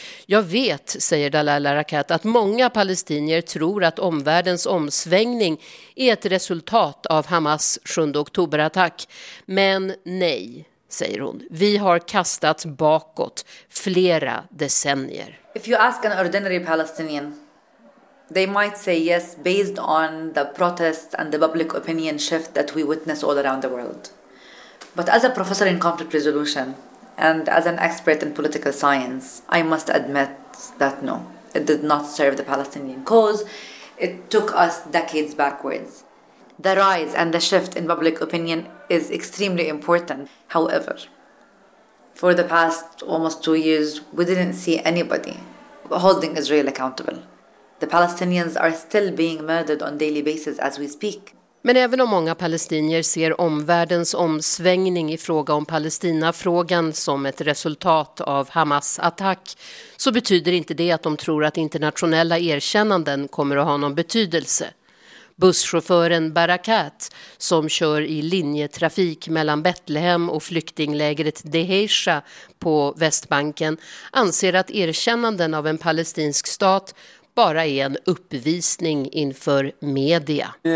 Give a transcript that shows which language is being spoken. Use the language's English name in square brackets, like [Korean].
[Swedish] Jag vet, säger Dalal Erakat, att många palestinier tror att omvärldens omsvängning är ett resultat av Hamas 7 oktober-attack, men nej. Säger hon. Vi har kastats bakåt flera decennier. [English] If you ask an ordinary Palestinian, they might say yes based on the protests and the public opinion shift that we witness all around the world. But as a professor in conflict resolution and as an expert in political science, I must admit that no, it did not serve the Palestinian cause. It took us decades backwards. The rise and the shift in public opinion is extremely important. However, for the past almost 2 years, we didn't see anybody holding Israel accountable. The Palestinians are still being murdered on daily basis as we speak. [Swedish] Men även om många palestinier ser omvärldens omsvängning i fråga om Palestina-frågan som ett resultat av Hamas attack, så betyder inte det att de tror att internationella erkännanden kommer att ha någon betydelse. Busschauffören Barakat, som kör i linjetrafik mellan Betlehem och flyktinglägret Deheisha på Västbanken, anser att erkännanden av en palestinsk stat bara är en uppvisning inför media.